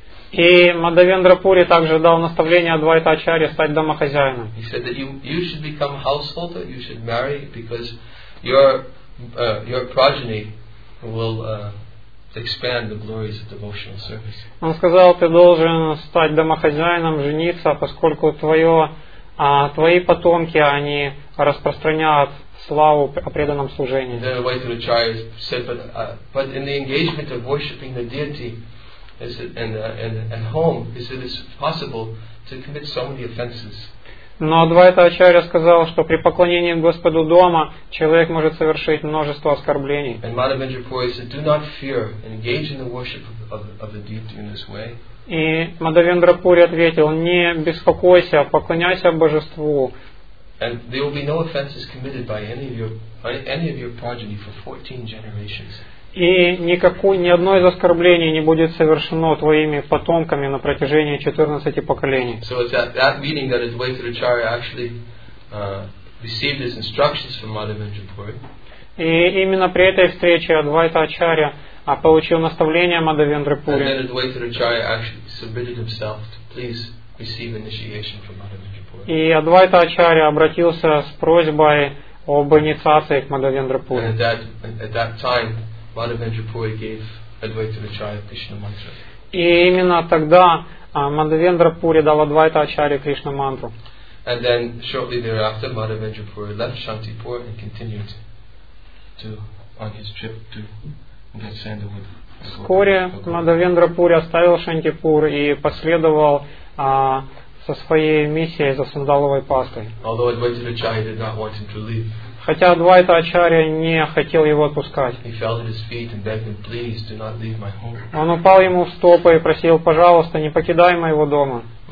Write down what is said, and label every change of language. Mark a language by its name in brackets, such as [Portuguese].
[Russian] И Мадхавендра Пури также дал наставление Адвайта Ачарье стать домохозяином. [English] He said that you should become householder, you should marry, because your progeny will expand the glories of devotional service. [Russian] Он сказал, ты должен стать домохозяином, жениться, поскольку твои потомки, они распространяют славу о преданном служении. [English] Then Advaita Acharya said, but in the engagement of worshipping the deity at home, is it possible to commit so many offenses? [Russian] Но Адвайта Ачарья сказал, что при поклонении Господу дома человек может совершить множество оскорблений. [English] And Madhavendra Puri said, do not fear, engage in the worship of the deity in this way. [Russian] И Мадхавендра Пури ответил, не беспокойся, поклоняйся Божеству. [English] And there will be no offenses committed by any of your progeny for 14 generations. [Russian] И ни одно из оскорблений не будет совершено твоими потомками на протяжении 14 поколений. [English] So it's at that meeting that Advaita Acharya actually received his instructions from Mahavendra Puri. [Russian] И именно при этой встрече Адвайта Ачарья получил наставление Мадхавендры Пури. [English] And then Advaita Acharya actually submitted himself to please receive initiation from Mahavendra Puri. [Russian] И Адвайта Ачарья обратился с просьбой об инициации к Мадхавендры Пури. [English] And at that time, Madhavendra Puri gave Advaita Acharya Krishna Mantra. [Russian] И именно тогда Мадхавендра Пури дал Адвайта Ачарье Кришна Мантру. [English] And then shortly thereafter, Madhavendra Puri left Shantipur and continued to on his trip to get sandalwood. [Russian] Вскоре Мадхавендра Пури оставил Шантипур и последовал со своей миссией за сандаловой пастой. [English] Although Advaita Acharya did not want him to leave. [Russian] Хотя Адвайта Ачарья не хотел его отпускать. [English] Him, [Russian] он упал ему в стопы и просил, пожалуйста, не покидай моего дома.